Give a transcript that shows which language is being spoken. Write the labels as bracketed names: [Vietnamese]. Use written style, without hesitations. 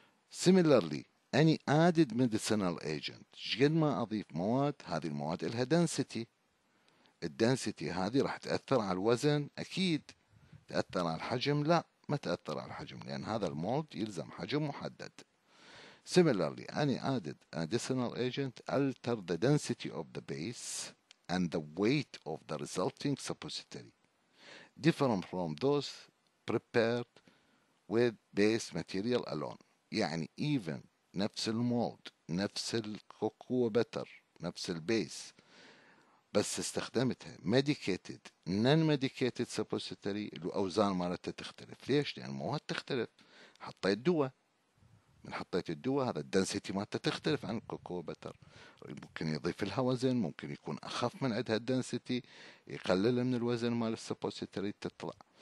[English] similarly any add medicinal agent, [Arabic] شقد ما اضيف مواد هذه المواد لها دنسيتي، الدنسيتي هذه راح تأثر على الوزن أكيد، تأثر على الحجم لا ما تأثر على الحجم لأن هذا المولد يلزم حجم محدد. [English] Similarly any added additional agent alter the density of the base and the weight of the resulting suppository different from those prepared with base material alone. [Arabic] يعني [English] even [Arabic] نفس المولد نفس الكوكو بتر نفس البيس، بس استخدمتها [English] medicated non-medicated suppository [Arabic] الأوزان مالتها تختلف. ليش؟ لأن المواد تختلف. حطيت دواء، من حطيت الدواء هذا الدنسيتي مالتها تختلف عن كوكو بتر، ممكن يضيف لها وزن، ممكن يكون أخف من عندها الدنسيتي يقلل من الوزن مال السبوزيتري تطلع.